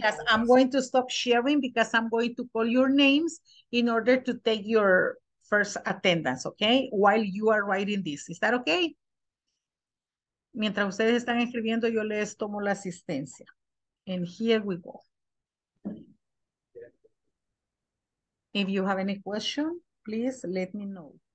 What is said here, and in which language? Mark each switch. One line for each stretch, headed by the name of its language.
English: I'm going to stop sharing because I'm going to call your names in order to take your first attendance, okay? While you are writing this. Is that okay?
Spanish: Mientras ustedes están escribiendo, yo les tomo la asistencia.
English: And here we go. If you have any question, please let me know.